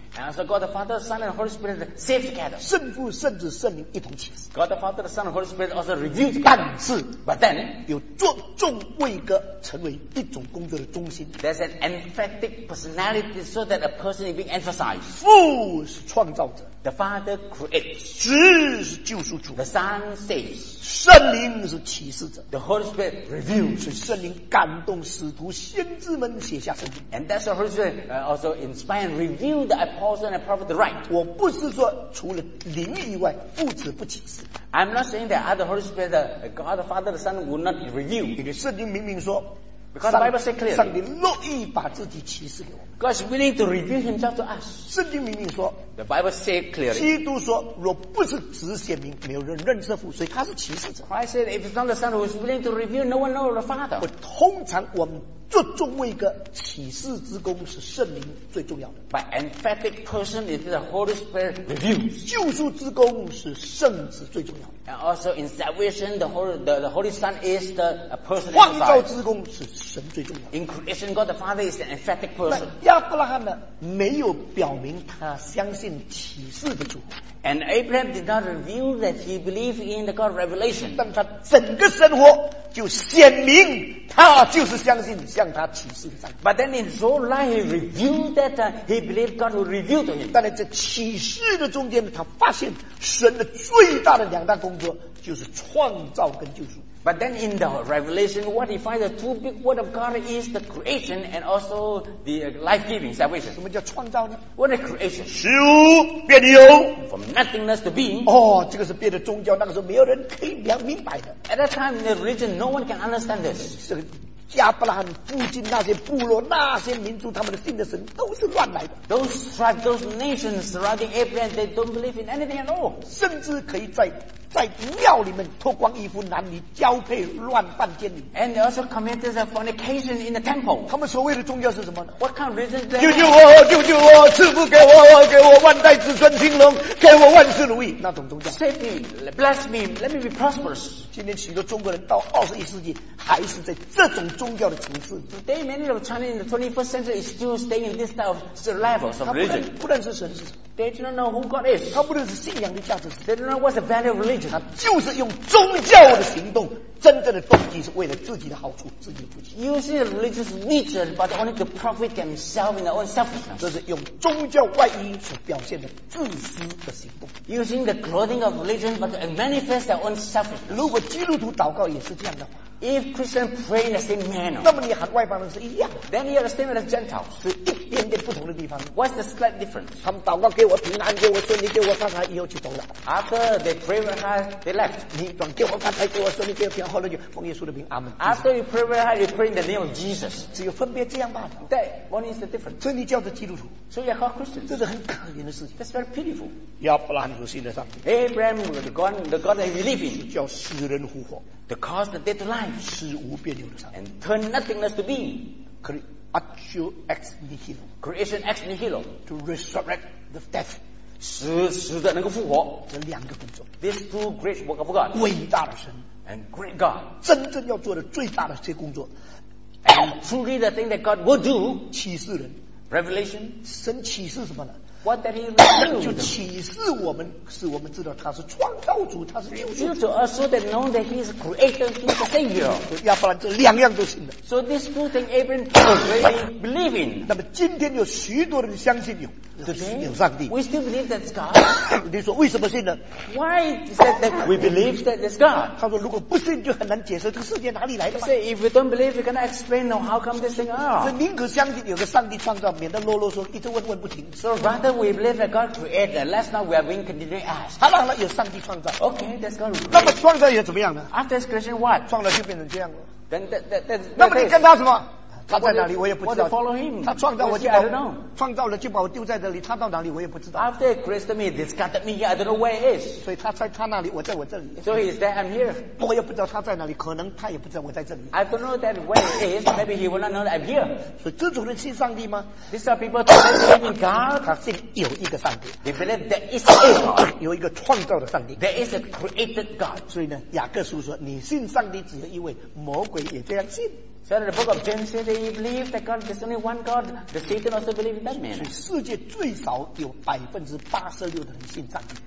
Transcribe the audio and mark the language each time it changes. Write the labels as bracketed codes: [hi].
[en] And so God the Father, Son, and Holy Spirit saved together. [zh] 圣父、圣子、圣灵一同启示。 [en] God the Father, the Son, and Holy Spirit also revealed together. [zh] 但是 [en] ，But then [zh] 有众位格成为一种工作的中心。 [en] There's an emphatic personality so that a person is being emphasized. [zh] 父是创造者。 [en] The Father creates. [zh] 子是救赎主。 [en] The Son saves. [zh] 圣灵是启示者。 [en] The Holy Spirit reveals. [zh] 所以圣灵感动使徒先知们写下圣经。 [en] And that's the Holy Spirit also inspired and revealed the apostles and the prophets to write. [zh] 我不是说除了灵以外，父子不启示。 [en] I'm not saying that other Holy Spirit, the God, the Father, the Son would not reveal. [zh] 因为圣经明明说。 [en] Because the Bible says clearly, [zh] 上帝乐意把自己启示给我们。 [en] God is willing to reveal Himself to us. [zh] 圣经明明说 [en] ，The Bible says clearly. [zh] 基督说，若不是子显明，没有人认识父，所以他是启示者。 [en] Christ said, if it's not the Son who is willing to reveal, no one knows the Father. [zh] 我通常我们做中位格启示之功是圣灵最重要的。 [en] By emphatic person is the Holy Spirit reveals. [zh] 救赎之功是圣子最重要的。 [en] And also in salvation, the Holy Son is the person. [zh] 创造之功是神最重要的。 [en] In creation, God the Father is an emphatic person. [zh] 亚伯拉罕呢，没有表明他相信启示的主。 [en] And Abraham did not reveal that he believed in the God revelation. [zh] 但他整个生活就显明他就是相信向他启示的上帝。 [en] But then in his whole life he revealed that he believed God would reveal to him. [zh] 但是在启示的中间他发现神的最大的两大工作就是创造跟救赎。 [en] But then in the revelation, what he finds the two big words of God is the creation and also the life-giving salvation. [zh] 什么叫创造呢 [en] ？What is creation? [zh] 虚无变有 [en] ，from nothingness to being. [zh] 哦，这个是别的宗教那个时候没有人可以明白的。 [en] At that time in the religion, no one can understand this. [zh] 这个亚伯拉罕附近那些部落、那些民族，他们的信的神都是乱来的。 [en] Those tribes, those nations surrounding Abraham, they don't believe in anything at all. [zh] 甚至可以在在庙里面脱光衣服，男女交配，乱犯奸淫。 [en] And they also committed a fornication in the temple. [zh] 他们所谓的宗教是什么呢 [en] ？What kind of religion? [zh] 救救我！救救我！赐福给我！给我万代子孙兴隆！给我万事如意！那种宗教。 [en] Save me, bless me, let me be prosperous. [zh] 今天许多中国人到二十一世纪还是在这种宗教的层次。 [en] Today many of China in the 21st century is still staying in this type of levels of religion. [zh] 不认识神是什么。 [en] They do not know who God is. [zh] 他不认识信仰的价值是。 [en] They do not know what's the value of religion. [zh] 他就是用宗教的行动，真正的动机是为了自己的好处，自己的福气。 [en] Using a religious nature, but only to profit themselves in their own selfishness. [zh] 这是用宗教外衣所表现的自私的行动。 [en] Using the clothing of religion, but to manifest their own selfishness. [zh] 如果基督徒祷告也是这样的话。 [en] If Christians pray in the same manner, [zh] 那么你和外邦人是一样的。 [en] Then you are the same as Gentiles. [zh] 是一点点不同的地方。 [en] What's the slight difference? [zh] 他们祷告给我平安，给我顺利，给我发财，以后就走了。 [en] After they pray very hard, they left. [zh] 你转给我发财，给我顺利，给我平安，后来就奉耶稣的名，阿门。 [en] After you pray very hard, you pray in the name of Jesus. [zh] 只有分别这样罢了。 [en] That one is the difference. [zh] 所以你叫做基督徒。 [en] So you are called Christians. [zh] 这是很可怜的事情。 [en] That's very pitiful. [zh] 亚伯拉罕所信的上帝。 [en] Abraham, the God that you believe in. [zh] 叫死人复活。 [en] The cause the dead to life. [zh] 是无变有的上帝。 [en] And turn nothingness to be. [la] Creatio ex nihilo. [en] Creation ex nihilo. To resurrect the dead. [zh] 死的能够复活。这两个工作。 [en] These two great work of God. [zh] 伟大的神。 [en] And great God. [zh] 真正要做的最大的这些工作。 [en] And truly the thing that God will do. [zh] 启示人。 [en] Revelation. [zh] 神启示什么呢？ [en] What that he will do? [zh] 就启示我们，使我们知道他是创造主，他是救主。 [en] To us, so that know that he is creator, he is savior. [zh] 要不然这两样都信的。 [en] So these two things Abraham already believe in. [zh] 那么今天有许多人相信有。 [en] Today, [zh] 有上帝 [en] we still believe that's God. [zh] 你说为什么信呢 [en] ？Why is that, that we believe that it's God? [zh] 他说如果不信就很难解释这个世界哪里来的。 [en] Say if we don't believe, we cannot explain how come this thing are. [zh] 所以宁可相信有个上帝创造，免得啰啰嗦一直问不停。 [en] So rather we believe that God created. Last night we are being continually asked. [zh] 好了好了，有上帝创造。 [en] Okay, that's God. [zh] 那么创造也怎么样呢 [en] ？After creation, what? [zh] 创造就变成这样了。 [en] Then that [zh] 那么你跟他什么？他在哪里我也不知道 [en] follow him? [zh] 他创造我就把我创造了就把我丢在这里他到哪里我也不知道 [en] After he created me, discarded me, I don't know where he is [zh] 所以他在他那里我在我这里 [en] So he's there, I'm here [zh] 我也不知道他在哪里可能他也不知道我在这里 [en] I don't know that where he is Maybe he will not know that I'm here [zh] 所以这种人信上帝吗 [en] These are people that believe in God [zh] 他信有一个上帝 [en] They believe there is a God [zh] 有一个创造的上帝 [en] There is a created God [zh] 所以呢雅各书说你信上帝只有一位魔鬼也这样信 [en] So the book of James says they believe that God is only one God. The Satan also believes in that man. [zh] 世界最少有86%的人信上帝。